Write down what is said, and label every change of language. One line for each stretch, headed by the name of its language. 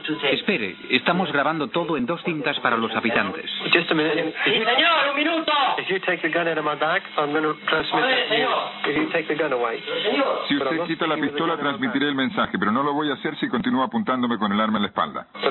Spanish: Espere, estamos grabando todo en 2 cintas para los habitantes.
English: Just a minute.
Spanish: ¡Sí, señor, un minuto!
English: If you take the gun out of my back, I'm going to transmit it. If you take the gun away.
Spanish: Si usted quita la pistola, transmitiré el mensaje, pero no lo voy a hacer si continúa apuntándome con el arma en la espalda.